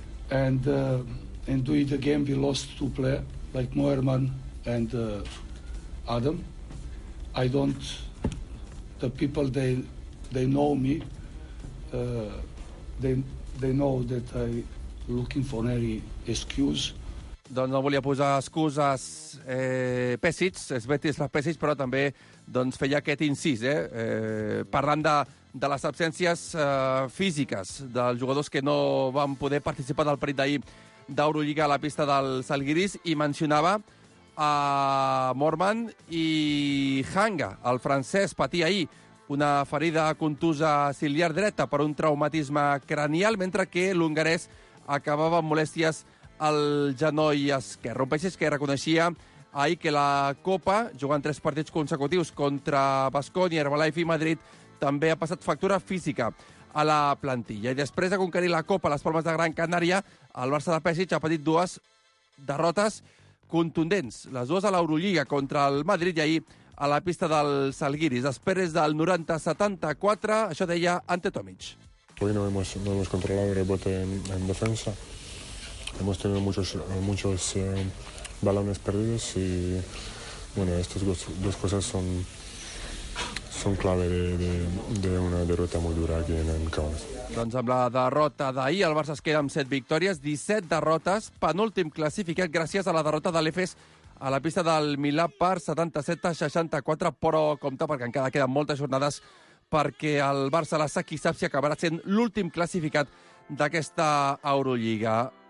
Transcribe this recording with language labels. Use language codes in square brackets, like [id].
[en] And during the game, we lost two players, like Moerman and Adam. I don't... The people, they know me. They know that I looking for any excuse. [ca] Doncs no volia posar excuses Pešić, Svetislav Pešić, però també doncs feia aquest incís, parlant de les absències físiques dels jugadors que no van poder participar del partit d'ahir d'Eurolliga a la pista del Salguiris, i mencionava a Mormann i Hanga. El francès patia ahir una ferida contusa ciliar dreta per un traumatisme cranial, mentre que l'hongarès acabava amb molèsties al genoll esquerre. Un Pešić que reconeixia ahir que la Copa, jugant tres partits consecutius contra Baskonia, Herbalife i Madrid, també ha passat factura física a la plantilla. I després de conquerir la Copa a les Palmes de Gran Canària, el Barça de Pešić ha patit dues derrotes contundents, les dues a l'Eurolliga contra el Madrid i ahir a la pista del Salguiris. Després del 90-74, això deia Ante Tomic. [es] Hoy no hemos controlado el rebote en defensa. Hemos tenido muchos balones perdidos y bueno, estas dos cosas son clave de una derrota muy dura aquí en Camp. [ca] Doncs amb la derrota d'ahir, el Barça es queda amb 7 victòries, 17 derrotes, penúltim classificat gràcies a la derrota de l'Efes a la pista del Milà per 77-64, però compte, perquè encara queden moltes jornades perquè el Barça la saqui, sap si acabarà sent l'últim classificat d'aquesta Eurolliga.